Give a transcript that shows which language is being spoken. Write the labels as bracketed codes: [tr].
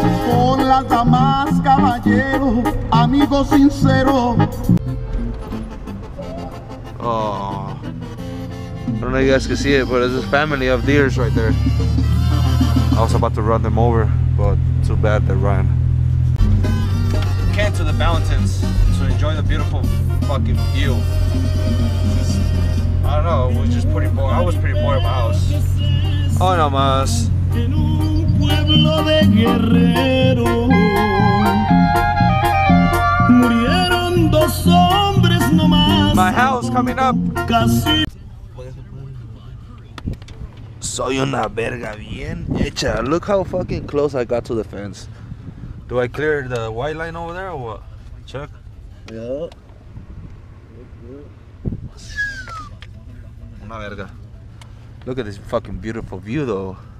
[es] Por las damas, caballero, amigo sincero. [en] Oh, I don't know if you guys can see it, but it's a family of deers right there. I was about to run them over, but too bad they ran. Came to the mountains to enjoy the beautiful fucking view. I don't know, it was just pretty boring. I was pretty bored of my house. [es] Oh, no más. En un pueblo de guerrero, murieron dos hombres nomás. [en] My house coming up. [es] Soy una verga bien hecha. [en] Look how fucking close I got to the fence. Do I clear the white line over there or what? Check. Yeah. [es] Una verga. [en] Look at this fucking beautiful view though.